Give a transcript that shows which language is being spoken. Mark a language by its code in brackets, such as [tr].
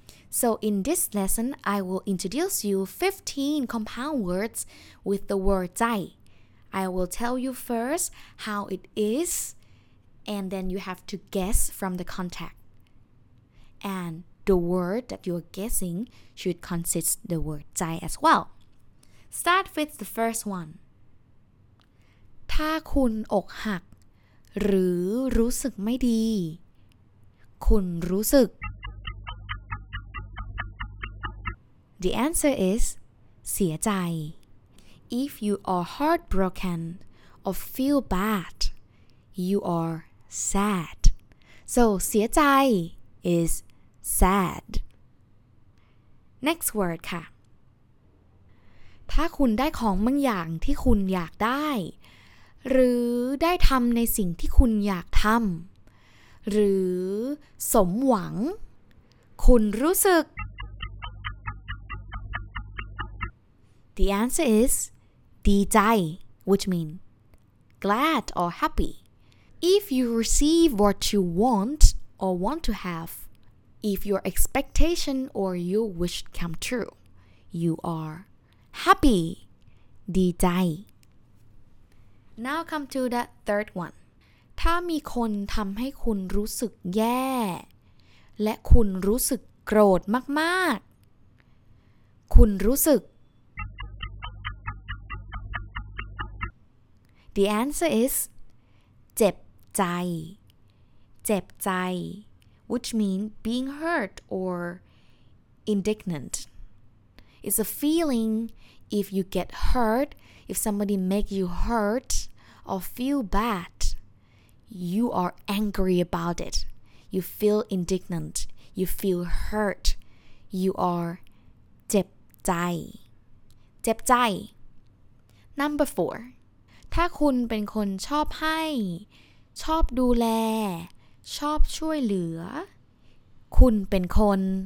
[en] So in this lesson, I will introduce you 15 compound words with the word "jai." I will tell you first how it is, and then you have to guess from the context. And the word that you are guessing should consist the word ใจ as well. Start with the first one. [th] ถ้าคุณอกหักหรือรู้สึกไม่ดีคุณรู้สึก [en] The answer is เสียใจIf you are heartbroken or feel bad, you are sad. So, เสียใจ is sad. Next word ค่ะ [th] ถ้าคุณได้ของบางอย่างที่คุณอยากได้หรือได้ทำในสิ่งที่คุณอยากทำหรือสมหวังคุณรู้สึก [en] The answer isดีใจ which mean glad or happy if you receive what you want or want to have if your expectation or your wish come true you are happy ดีใจ now come to the third one [th] ถ้ามีคนทำให้คุณรู้สึกแย่และคุณรู้สึกโกรธมากๆคุณรู้สึก [en] The answer is เจ็บใจเจ็บใจ which means being hurt or indignant it's a feeling if you get hurt if somebody make you hurt or feel bad you are angry about it you feel indignant you feel hurt you are เจ็บใจ [th] เจ็บใจ [en] number 4 [th] ถ้าคุณเป็นคนชอบให้ชอบดูแลชอบช่วยเหลือคุณเป็นคน